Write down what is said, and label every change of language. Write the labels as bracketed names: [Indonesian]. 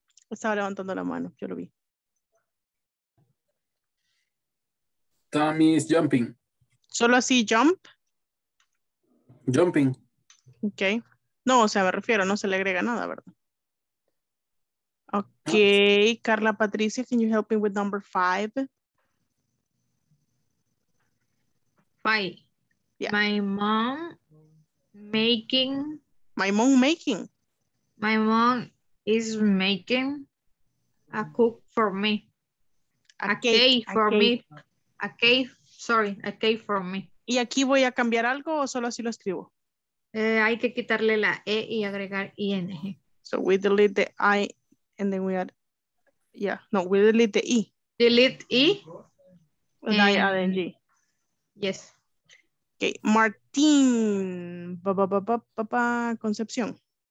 [Spanish] Estaba levantando la mano. Yo lo vi. [English] Tommy is jumping. [Spanish] ¿Solo así jump? [English] Jumping. Ok. [Spanish] No, o sea, me refiero, no se le agrega nada, ¿verdad? Ok. No. [English] Carla Patricia, can you help me with number five? Bye. Yeah. My mom making. My mom is making a cook for me. A cake for me. [Spanish] ¿Y aquí voy a cambiar algo o solo así lo escribo? Hay que quitarle la E y agregar ING. [English] So we delete the I and then we add. Yeah, no, we delete the E. Delete E. And I add ING. Yes. Okay, Martín, Concepción.